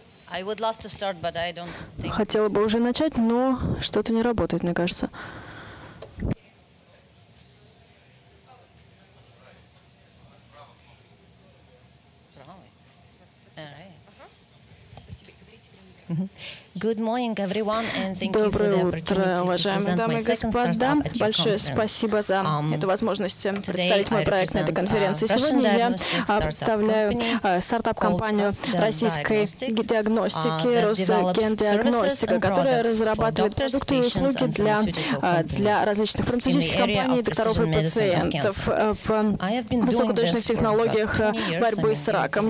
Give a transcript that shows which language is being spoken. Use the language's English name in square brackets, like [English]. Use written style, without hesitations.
[English] I would love to start, but I don't think. [Russian] Хотела бы уже начать, но что-то не работает, мне кажется. [English] Good morning, everyone, and thank you for the opportunity to present my second startup at your conference. [Russian] Большое спасибо за эту возможность представить мой проект на этой конференции. Сегодня я представляю стартап-компанию российской диагностики, Росгендиагностика, которая разрабатывает продукты и услуги для различных фармацевтических компаний, докторов и пациентов в высокоточных технологиях борьбы с раком.